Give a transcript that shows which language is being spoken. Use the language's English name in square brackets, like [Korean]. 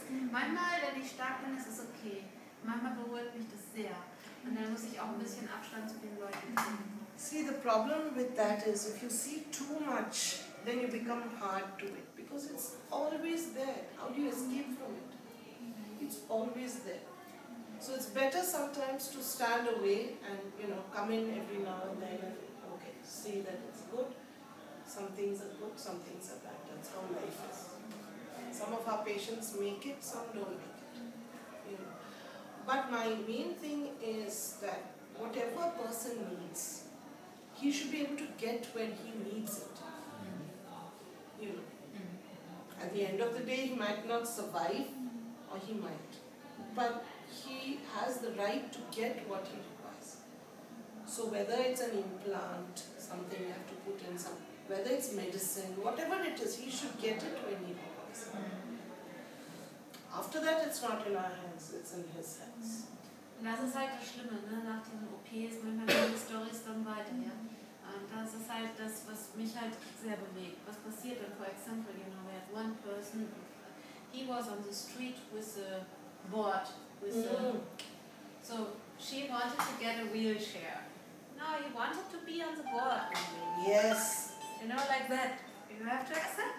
[German] Manchmal, wenn ich stark bin, ist es okay. Manchmal beruhigt mich das sehr. Und dann muss ich auch ein bisschen Abstand zu den Leuten finden. [English] See, the problem with that is if you see too much, then you become hard to it. Because it's always there. How do you escape from it? It's always there. So it's better sometimes to stand away and, you know, come in every now and then and, okay, see that it's good. Some things are good, some things are bad. That's how life is. Some of our patients make it, some don't make it. You know. But my main thing is that whatever a person needs, he should be able to get when he needs it. You know. At the end of the day, he might not survive, or he might. But he has the right to get what he requires. So whether it's an implant, something you have to put in, some, whether it's medicine, whatever it is, he should get it when he requires. After that, it's not in our hands, it's in his hands. [German] Und das ist halt das Schlimme, ne? Nach den OPs, manchmal gehen die Storys dann weiter. Ja? Und das ist halt das, was mich halt sehr bewegt. Was passiert dann, [English] for example, you know, we had one person, he was on the street with a board. With so she wanted to get a wheelchair. No, he wanted to be on the board. Maybe. Yes. You know, like that. You have to accept.